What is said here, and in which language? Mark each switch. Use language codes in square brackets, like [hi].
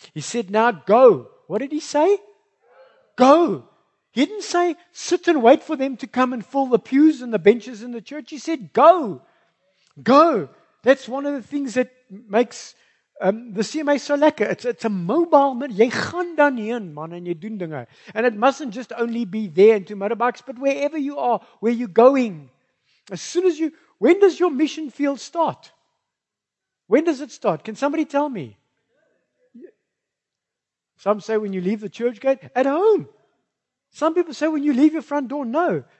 [en] He said, now go. What did he say? Go. He didn't say, sit and wait for them to come and fill the pews and the benches in the church. He said, go. Go. That's one of the things that makes the CMA so lekker. It's a mobile. [af] Jy gaan dan heen, man, en jy doen dinge. [en] And it mustn't just only be there and to motorbikes, but wherever you are, where you're going. As soon as you, when does your mission field start? When does it start? Can somebody tell me? Some say when you leave the church gate, at home. Some people say when you leave your front door, no.